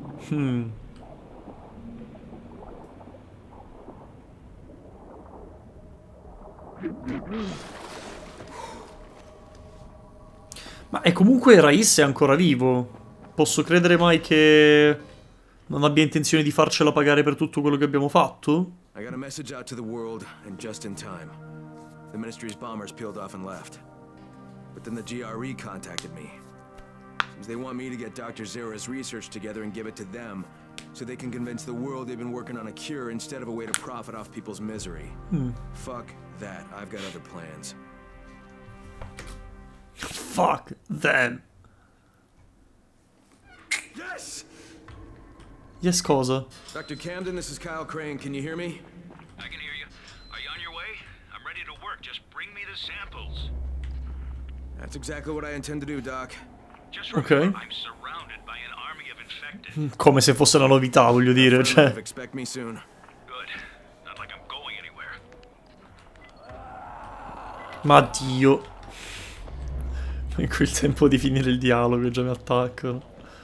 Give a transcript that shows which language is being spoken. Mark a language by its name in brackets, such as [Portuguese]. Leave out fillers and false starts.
[Italian] Ma è comunque Raiz è ancora vivo. Posso credere mai che non abbia intenzione di farcela pagare per tutto quello che abbiamo fatto? [English] I got a message out to the world and just in time. The ministry's bombers peeled off and left. But then the GRE contacted me. Since they want me to get Dr. Zera's research together and give it to them so they can convince the world they've been working on a cure instead of a way to profit off people's misery. Fuck that. I've got other plans. Fuck them. Yes! Yes, [Italian] cosa? [English] Dr. Camden, this is Kyle Crane. Can you hear me? I can hear you. Are you on your way? I'm ready to work. Just bring me the samples. That's exactly what I intend to do, Doc. Just remember, okay. I'm surrounded by an army of infected. [Italian] Come se fosse una novità, voglio dire, cioè. [English] Expect me soon. Good. Not like I'm going anywhere. [Italian] Ma Dio. È quel tempo di finire il dialogo e già mi attaccano.